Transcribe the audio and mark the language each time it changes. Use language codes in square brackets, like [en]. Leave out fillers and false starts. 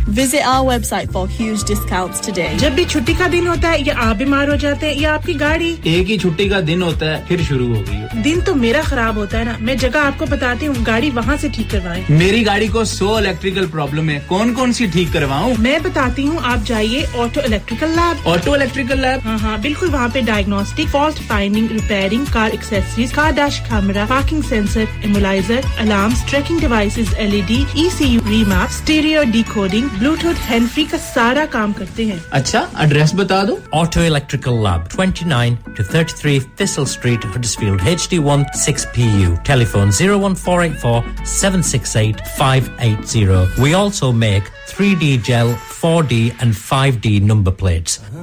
[en] Visit our website for huge discounts today. [hi] जब भी छुट्टी का दिन होता है या आप बीमार हो जाते हैं या आपकी गाड़ी एक ही छुट्टी का दिन होता है फिर शुरू हो गई दिन तो मेरा खराब होता है ना मैं जगह आपको बताती हूं गाड़ी वहां से ठीक करवाएं मेरी गाड़ी को 100 इलेक्ट्रिकल प्रॉब्लम है कौन-कौन सी ठीक करवाऊं मैं बताती हूं आप जाइए ऑटो इलेक्ट्रिकल लैब हां बिल्कुल वहां पे diagnostic fault finding repairing car accessories car dash camera parking sensor immobiliser alarms trekking devices LED ECU remap stereo decoding Bluetooth hand free का सारा काम करते हैं अच्छा एड्रेस बता दो [en] Auto electrical lab 29 to 33 Thistle Street Huddersfield HD1 6PU telephone 01484 768 580 we also make 3D gel, 4D and 5D number plates.